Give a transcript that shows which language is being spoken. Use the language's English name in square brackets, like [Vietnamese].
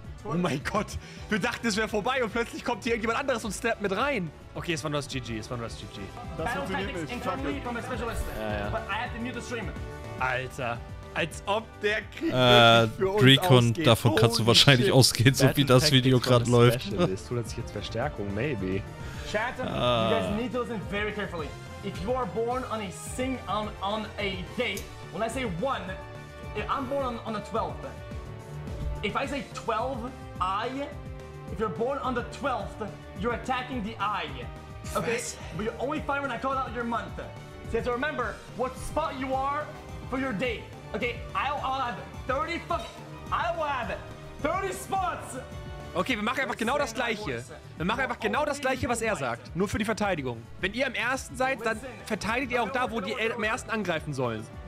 [German] Oh mein Gott, wir dachten, es wäre vorbei und plötzlich kommt hier irgendjemand anderes und snappt mit rein. Okay, es war nur das GG. Das funktioniert nicht. Alter, als ob der Krieg für uns Recon, ausgeht. Davon kannst du wahrscheinlich ausgehen, so wie das Video gerade läuft. Es tut sich jetzt Verstärkung, [English] maybe. Chat, you guys need to listen very carefully. If you are born on a day, when I say one, I'm born on the 12th. If I say 12, if you're born on the 12th, you're attacking the eye. Okay? [German] Was? [English] But you only fire when I call out your month. So you have to remember what spot you are for your day. Okay? I'll have 30 fucking... I will have 30 spots. [German] Okay, wir machen einfach genau das Gleiche. Wir machen einfach genau das Gleiche, was er sagt. Nur für die Verteidigung. Wenn ihr am ersten seid, dann verteidigt ihr auch da, wo die am ersten angreifen sollen.